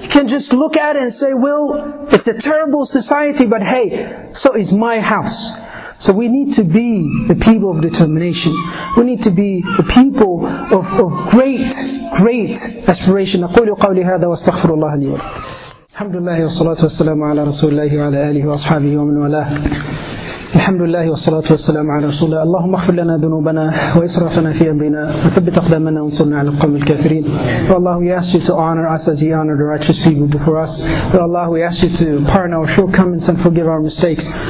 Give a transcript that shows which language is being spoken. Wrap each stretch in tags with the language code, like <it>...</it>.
<en>You can just look at it and say, well, it's a terrible society, but hey, so is my house. So we need to be the people of determination. We need to be the people of great, great aspiration.</en> <ar>أقول قولي هذا واستغفر الله لي ولكم. الحمد لله والصلاة والسلام على رسول الله وعلى آله وأصحابه ومن والاه. الحمد لله والصلاة والسلام على رسول الله. اللهم اغفر لنا ذنوبنا وإسرافنا في أمرنا وثبت أقدامنا وانصرنا على القوم الكافرين.</ar> <en>Allah, we ask you to honor us as you honor the righteous people before us. Allah, we ask you to pardon our shortcomings and forgive our mistakes.</en>